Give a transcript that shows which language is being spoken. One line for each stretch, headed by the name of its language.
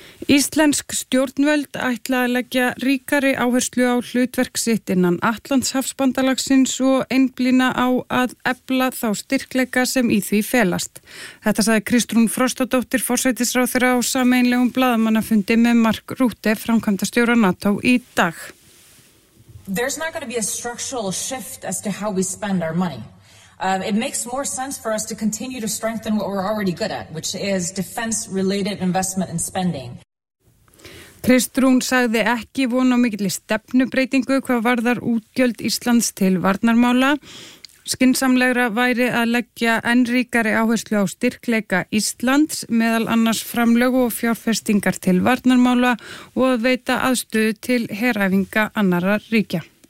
Icelandic: Íslensk stjórnvöld ætla að leggja ríkari áherslu á hlutverk sitt innan Atlantshafsbandalagsins og einblýna á að efla þá styrkleika sem í því felast. Þetta sagði Kristrún Frostadóttir forsætisráðherra á sameinlegum blaðamannafundi með Mark Rutte framkvæmdastjóra NATO í dag.
English: There's not going to be a structural shift as to how we spend our money. It makes more sense for us to continue to strengthen what we're already good at, which is defense-related investment and spending.
Icelandic: Kristrún sagði ekki von á mikilli stefnubreytingu hvað varðar útgjöld Íslands til varnarmála. Skynsamlegra væri að leggja enn ríkari áherslu á styrkleika Íslands meðal annars framlög og fjárfestingar til varnarmála og að veita aðstöðu til heræfinga annarra ríkja.